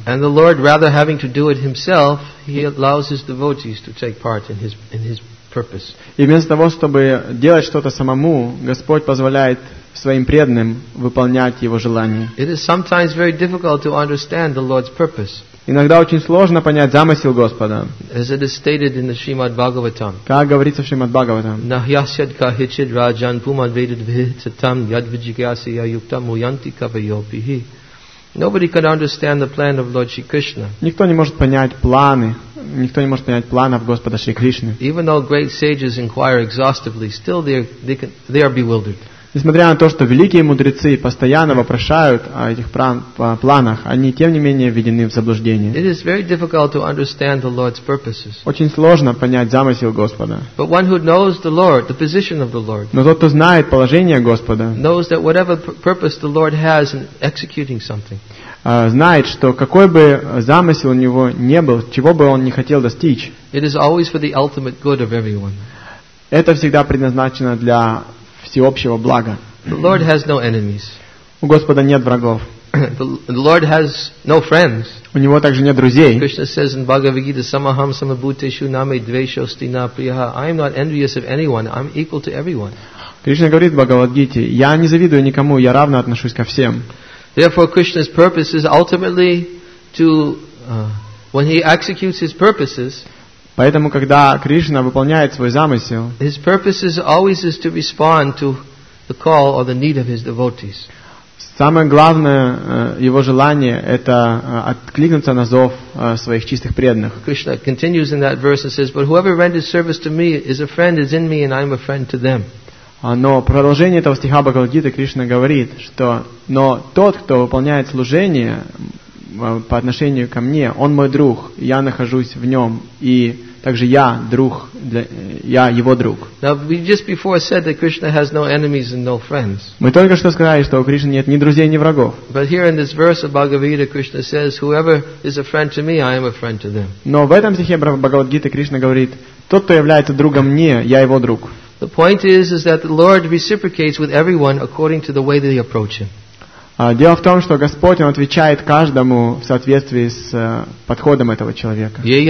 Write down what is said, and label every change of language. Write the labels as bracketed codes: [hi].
[en] And the Lord, rather having to do it himself, he allows his devotees to take part in his purpose. [ru] И вместо того, чтобы делать что-то самому, Господь позволяет своим преданным выполнять его желания. [en] It is sometimes very difficult to understand the Lord's purpose. [ru] Иногда очень сложно понять замысел Господа. [en] As it is stated in the Shrimad Bhagavatam. [ru] Как говорится в Шримад Бхагаватам. [sa] Nahyasyad kahichid rajan pumadvedit vihitatam yadvijigyasya yuktam uyanti kavayopihi. [en] Nobody could understand the plan of Lord Shri Krishna. [ru] Никто не может понять планов Господа Шри Кришны. [en] Even though great sages inquire exhaustively, still they are bewildered. [ru] Несмотря на то, что великие мудрецы постоянно вопрошают о этих планах, они тем не менее введены в заблуждение. [en] It is very difficult to understand the Lord's purposes. [ru] Очень сложно понять замысел Господа. [en] But one who knows the Lord, the position of the Lord, [ru] но тот, кто знает положение Господа, [en] knows that whatever purpose the Lord has in executing something, [ru] знает, что какой бы замысел у него не был, чего бы он не хотел достичь, [en] it is always for the ultimate good of everyone. [ru] Это всегда предназначено для всеобщего блага. [en] The Lord has no enemies. [ru] У Господа нет врагов. [en] The Lord has no friends. [ru] У него также нет друзей. [en] Krishna says in Bhagavad Gita, [sa] Samaham Samabhuteshu Name Dveshosti Na Priha. [en] I am not envious of anyone. I'm equal to everyone. [ru] Кришна говорит в Бхагавад-гите, я не завидую никому, я равно отношусь ко всем. [en] Therefore, Krishna's purpose is ultimately to, when he executes his purposes. [ru] Поэтому, когда Кришна выполняет свой замысел, [en] his purpose is always is to respond to the call or the need of his devotees. [ru] Самое главное его желание это откликнуться на зов своих чистых преданных. [en] Krishna continues in that verse and says, but whoever renders service to me is a friend is in me and I am a friend to them. [ru] Но продолжение этого стиха Бхагавад-гиты Кришна говорит, что но тот, кто выполняет служение по отношению ко мне. Он мой друг, я нахожусь в нем, и также я друг, я его друг. [en] Now, we just before said that Krishna has no enemies and no friends. [ru] Мы только что сказали, что у Кришны нет ни друзей, ни врагов. [en] But here in this verse of Bhagavad-gita, Krishna says, whoever is a friend to me, I am a friend to them. [ru] Но в этом стихе Бхагавад-гиты Кришна говорит, тот, кто является другом мне, я его друг. [en] The point is that the Lord reciprocates with everyone according to the way they approach Him. [ru] Дело в том, что Господь, Он отвечает каждому в соответствии с подходом этого человека.